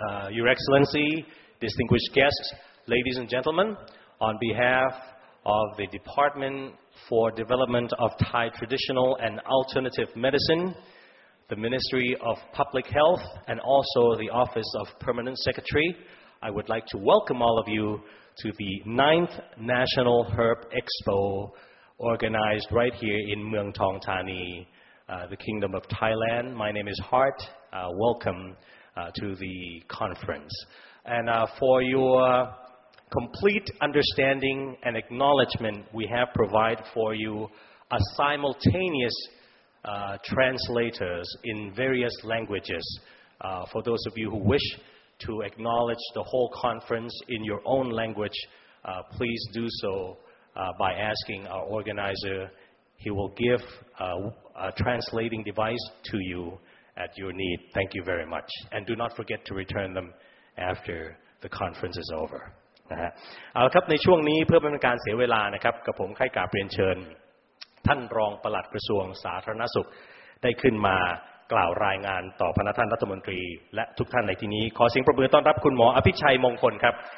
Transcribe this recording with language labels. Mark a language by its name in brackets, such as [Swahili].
[English] Your Excellency, distinguished guests, ladies and gentlemen, on behalf of the Department for Development of Thai Traditional and Alternative Medicine, the Ministry of Public Health, and also the Office of Permanent Secretary, I would like to welcome all of you to the 9th National Herb Expo organized right here in Mueang Thong Thani, the Kingdom of Thailand. My name is Hart. Welcome. To the conference. And for your complete understanding and acknowledgement, we have provided for you a simultaneous translators in various languages for those of you who wish to acknowledge the whole conference in your own language. Please do so by asking our organizer. He will give a translating device to youAt your need, thank you very much, and do not forget to return them after the conference is over. [Thai] เอาละครับในช่วงนี้เพื่อไม่เป็นการเสียเวลานะครับกับผมไข่กาเปลี่ยนเชิญท่านรองปลัดกระทรวงสาธารณสุขได้ขึ้นมากล่าวรายงานต่อพนักท่านรัฐมนตรีและทุกท่านในที่นี้ขอเสียงปรบมือต้อนรับคุณหมออภิชัยมงคลครับ